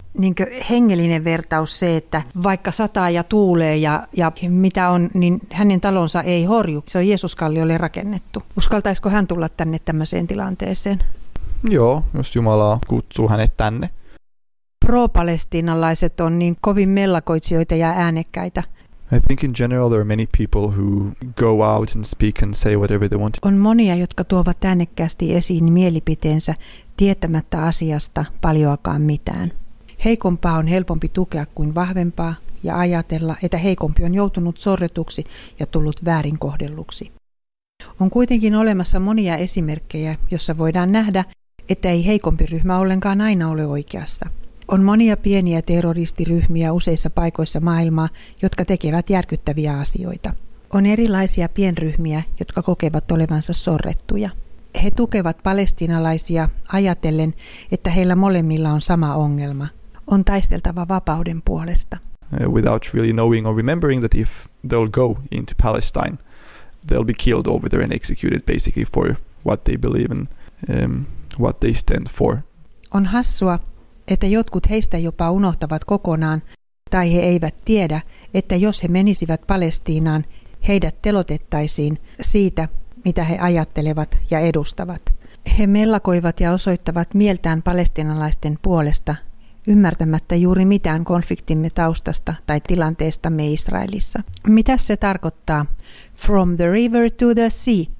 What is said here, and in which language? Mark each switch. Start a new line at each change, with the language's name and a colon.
Finnish: Niinkö hengellinen vertaus se, että vaikka sataa ja tuulee ja mitä on, niin hänen talonsa ei horju. Se on Jeesuskalliolle rakennettu. Uskaltaisiko hän tulla tänne tämmöiseen tilanteeseen? Joo, jos Jumala kutsuu hänet tänne. Pro-palestiinalaiset on niin kovin mellakoitsijoita ja äänekkäitä.
English: I think in general there are many people who go out and speak and say whatever they want.
Finnish: On monia, jotka tuovat äänekkäästi esiin mielipiteensä tietämättä asiasta paljoakaan mitään. Heikompaa on helpompi tukea kuin vahvempaa ja ajatella, että heikompi on joutunut sorretuksi ja tullut väärin kohdelluksi. On kuitenkin olemassa monia esimerkkejä, joissa voidaan nähdä, että ei heikompi ryhmä ollenkaan aina ole oikeassa. On monia pieniä terroristiryhmiä useissa paikoissa maailmaa, jotka tekevät järkyttäviä asioita. On erilaisia pienryhmiä, jotka kokevat olevansa sorrettuja. He tukevat palestiinalaisia ajatellen, että heillä molemmilla on sama ongelma. On taisteltava vapauden puolesta.
English: Without really knowing or remembering that if they'll go into Palestine, they'll be killed over there and executed basically for what they believe in, what they stand for.
Finnish: On hassua, että jotkut heistä jopa unohtavat kokonaan, tai he eivät tiedä, että jos he menisivät Palestiinaan, heidät telotettaisiin siitä, mitä he ajattelevat ja edustavat. He mellakoivat ja osoittavat mieltään palestinalaisten puolesta, ymmärtämättä juuri mitään konfliktimme taustasta tai tilanteestamme Israelissa. Mitä se tarkoittaa?
English: From the river to the sea.